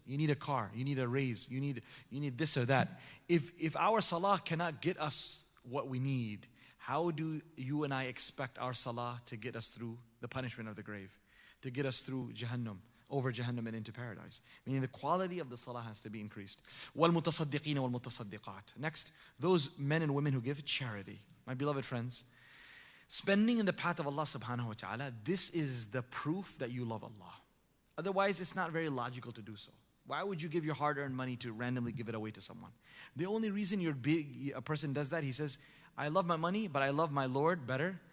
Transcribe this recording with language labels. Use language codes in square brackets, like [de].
[en] You need a car, you need a raise, you need this or that. If our salah cannot get us what we need, how do you and I expect our salah to get us through the punishment of the grave, to get us through Jahannam over Jahannam and into paradise. Meaning the quality of the salah has to be increased. [ar] والمتصدقين والمتصدقات. [en] Next, those men and women who give charity. My beloved friends, spending in the path of Allah subhanahu wa ta'ala, this is the proof that you love Allah. Otherwise, it's not very logical to do so. Why would you give your hard-earned money to randomly give it away to someone? The only reason a person does that, he says, I love my money, but I love my Lord better.